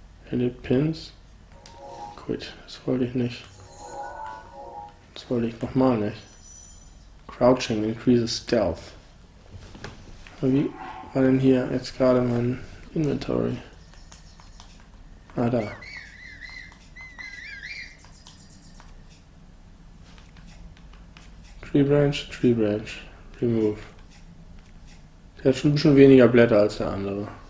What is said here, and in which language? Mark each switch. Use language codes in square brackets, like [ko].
[en] Edit Pins. [de] Gut, das wollte ich nicht. Das wollte ich nochmal nicht. [en] Crouching increases stealth. [de] Aber wie war denn hier jetzt gerade mein Inventory? Ah, da. [en] Tree Branch, Tree Branch. Remove. [de] Der hat schon ein bisschen weniger Blätter als der andere.